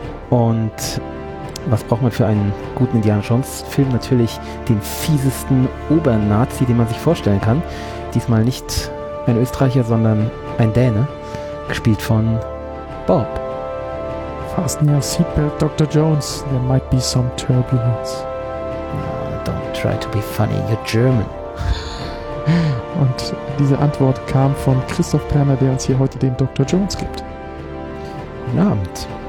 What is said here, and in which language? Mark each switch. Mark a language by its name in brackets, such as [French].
[German] Und was braucht man für einen guten Indiana Jones Film? Natürlich den fiesesten Obernazi, den man sich vorstellen kann. Diesmal nicht ein Österreicher, sondern ein Däne, gespielt von Bob. [English] Fasten your seatbelt, Dr. Jones. There might be some turbulence. No, don't try to be funny, you're German. [German] Und diese Antwort kam von Christoph Perner, der uns hier heute den Dr. Jones gibt. Guten Abend.